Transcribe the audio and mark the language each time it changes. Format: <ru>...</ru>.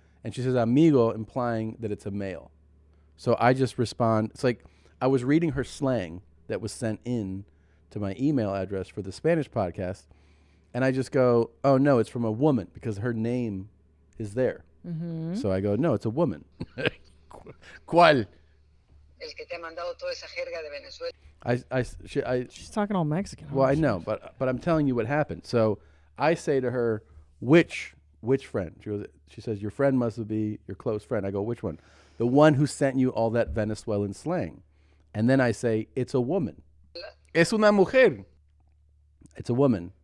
<en>And she says, amigo, implying that it's a male. So I just respond. It's like I was reading her slang that was sent in to my email address for the Spanish podcast. And I just go, oh, no, it's from a woman because her name is there. Mm-hmm. So I go, no, it's a woman.</en> <es>¿Cuál? El que te ha mandado toda esa jerga de Venezuela.</es> <en>She's talking all Mexican. Well, I know, but I'm telling you what happened. So I say to her, which friend? She says, your friend must be your close friend. I go, which one? The one who sent you all that Venezuelan slang. And then I say, it's a woman.</en> <es>Es una mujer.</es> <en>It's a woman.</en>